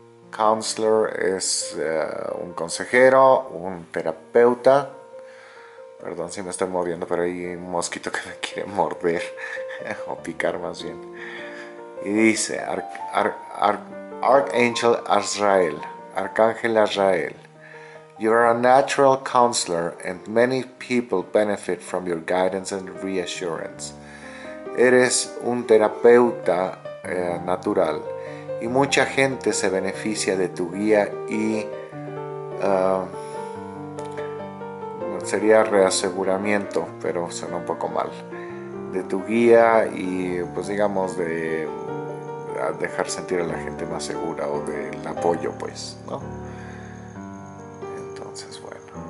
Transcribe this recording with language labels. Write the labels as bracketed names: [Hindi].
[Spanish] Counselor es un consejero, un terapeuta. Perdón si me estoy moviendo, pero hay un mosquito que me quiere morder o picar más bien. Y dice, [English] Archangel Azrael, Arcángel Azrael, you are a natural counselor and many people benefit from your guidance and reassurance. [Spanish] Eres un terapeuta natural y mucha gente se beneficia de tu guía y sería reaseguramiento, pero suena un poco mal, de tu guía y pues digamos de dejar sentir a la gente más segura o del apoyo, pues, ¿no? Entonces, bueno.